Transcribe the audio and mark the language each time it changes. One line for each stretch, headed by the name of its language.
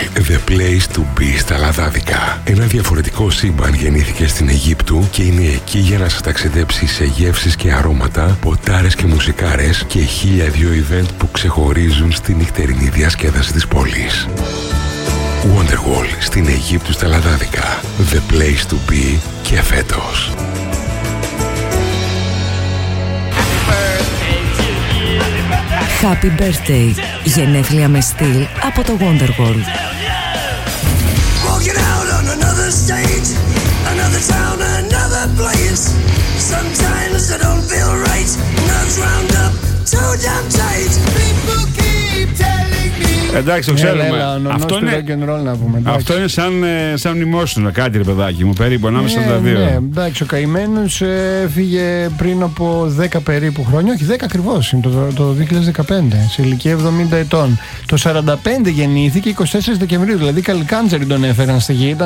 English: the place to be
Greek: στα λαδάδικα. Ένα διαφορετικό σύμπαν γεννήθηκε στην Αιγύπτου και είναι εκεί για να σας ταξιδέψει σε γεύσεις και αρώματα, ποτάρες και μουσικάρες και χίλια δύο event που ξεχωρίζουν στη νυχτερινή διασκέδαση της πόλης. Wonderwall στην Αιγύπτου στα λαδάδικα.
English: The place to be
Greek: και φέτος.
English: Happy birthday.
Greek: Γενέθλια με στυλ από το Wonderwall.
English: Walking out on another stage, another town, another place. Sometimes I don't feel right, nerves round up, too damn tight. People keep telling me.
Greek: Εντάξει, το ξέρουμε. Έλα, αυτό, είναι... Rock and roll, να πούμε, αυτό είναι σαν μνημόσυνο, κάτι ρε παιδάκι μου, περίπου ανάμεσα στα δύο. Ναι, εντάξει, ο Καημένος φύγε πριν από 10 περίπου χρόνια, όχι 10 ακριβώς, είναι το 2015, σε ηλικία 70 ετών. Το 45 γεννήθηκε, 24 Δεκεμβρίου, δηλαδή καλή κάντζερη τον έφεραν στη γη.